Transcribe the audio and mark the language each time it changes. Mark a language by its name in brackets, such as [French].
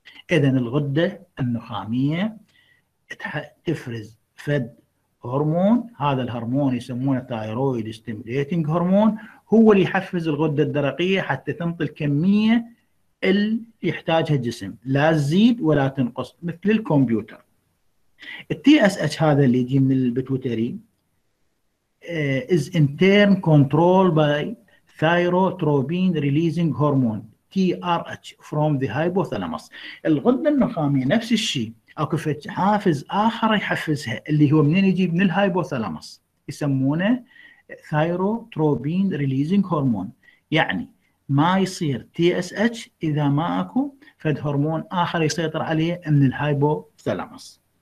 [Arabic] اذا الغده النخاميه تفرز فد هرمون، هذا الهرمون يسمونه ثايرويد ستيميليتنج هرمون، هو اللي يحفز الغده الدرقيه حتى تنطي الكميه اللي يحتاجها الجسم، لا تزيد ولا تنقص مثل الكمبيوتر. التي اس اتش هذا اللي يجي من البيتوتري [English] is in turn controlled by thyrotropin releasing hormone TRH from the hypothalamus. [Arabic] الغدة النخامية نفس الشيء، اكو حافز اخر يحفزها اللي هو منين يجي؟ من الهايبوثالامس، يسمونه [English] thyrotropin releasing hormone. [Arabic] يعني ما يصير TSH اذا ما اكو فد هرمون اخر يسيطر عليه من الهايبوثالامس.